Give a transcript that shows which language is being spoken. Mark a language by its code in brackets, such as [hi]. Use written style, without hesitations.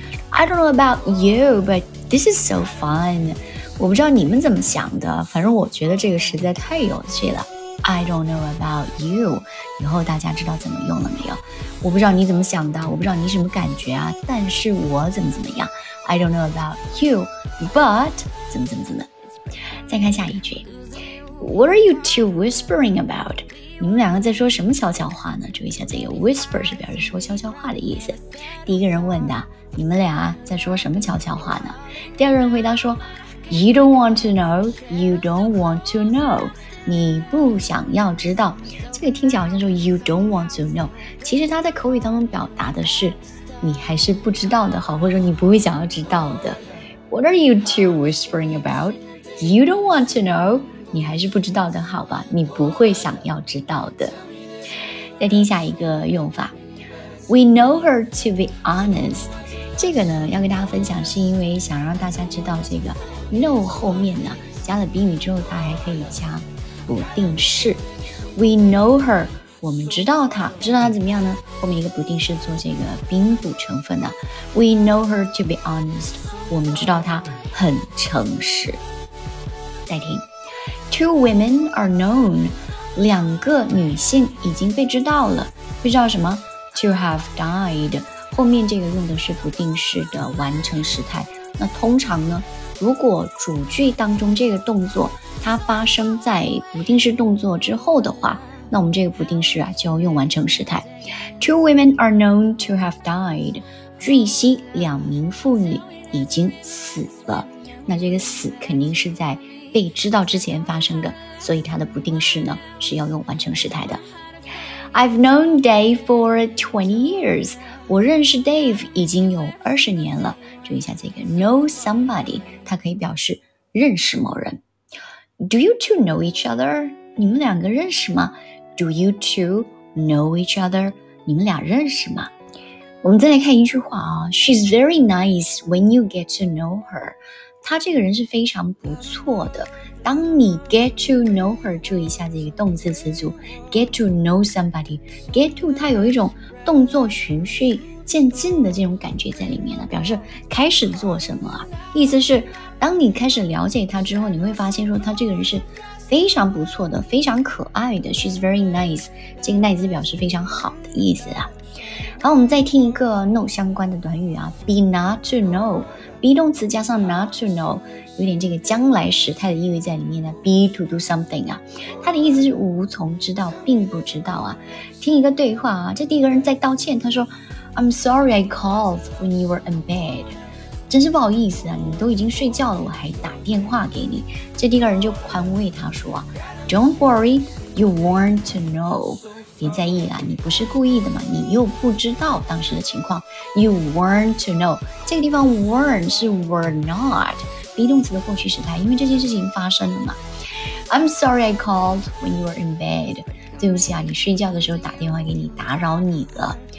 [en] I don't know about you but this is so fun， [zh] 我不知道你们怎么想的，反正我觉得这个实在太有趣了。 [en] I don't know about you， [zh] 以后大家知道怎么用了没有？我不知道你怎么想的，我不知道你什么感觉啊，但是我怎么怎么样。 [en] I don't know about you but [zh] 怎么怎么怎么。再看下一句， [en] What are you two whispering about? [zh] 你们两个在说什么悄悄话呢？注意一下，这个 whisper 是表示说悄悄话的意思。第一个人问的，你们俩在说什么悄悄话呢？第二个人回答说 [en] You don't want to know, you don't want to know. [zh] 你不想要知道。这个听起来好像说 [en] you don't want to know. [zh] 其实他在口语当中表达的是你还是不知道的好，或者你不会想要知道的。 [en] What are you two whispering about? You don't want to know. [zh] 你还是不知道的好吧，你不会想要知道的。再听下一个用法， [en] We know her to be honest。 [zh] 这个呢要跟大家分享，是因为想让大家知道这个 know 后面呢加了宾语之后它还可以加不定式。 [en] We know her， [zh] 我们知道她，知道她怎么样呢？后面一个不定式做这个宾补成分呢， [en] We know her to be honest， [zh] 我们知道她很诚实。 [en] 再听，Two women are known. [zh] 两个女性已经被知道了。被知道什么？ [en] To have died. [zh] 后面这个用的是不定式的完成时态。那通常呢，如果主句当中这个动作它发生在不定式动作之后的话，那我们这个不定式啊就要用完成时态。 [en] Two women are known to have died. [zh] 据悉两名妇女已经死了。那这个死肯定是在被知道之前发生的，所以它的不定式呢是要用完成时态的。 [en] I've known Dave for 20 years. [zh] 我认识 Dave 已经有20年了。注意一下这个 know somebody， 它可以表示认识某人。 [en] Do you two know each other? [zh] 你们两个认识吗？ [en] Do you two know each other? [zh] 你们俩认识吗？我们再来看一句话啊， [en] She's very nice when you get to know her. [zh] 他这个人是非常不错的。当你 [en] get to know her， [zh] 注意一下这个动词词组 get to know somebody， get to 它有一种动作循序渐进的这种感觉在里面了，表示开始做什么啊，意思是当你开始了解他之后，你会发现说他这个人是非常不错的，非常可爱的。 She's very nice， 这个 nice 表示非常好的意思啊。好，我们再听一个 know 相关的短语啊， be not to know。 be 动词加上 not to know， 有点这个将来时态的意味在里面呢。 be to do something 啊，它的意思是无从知道，并不知道啊。听一个对话啊，这第一个人在道歉，他说 ， [en] I'm sorry I called when you were in bed， [zh] 真是不好意思啊，你都已经睡觉了，我还打电话给你。这第一个人就宽慰他说啊 ， [en] Don't worry， you weren't to know。 [zh] 别在意啦，你不是故意的嘛，你又不知道当时的情况。 [en] You weren't to know， [zh] 这个地方 weren't 是 were not， be 动词的过去时态，因为这件事情发生了嘛。 [en] I'm sorry I called when you were in bed， [zh] 对不起啊，你睡觉的时候打电话给你，打扰你了。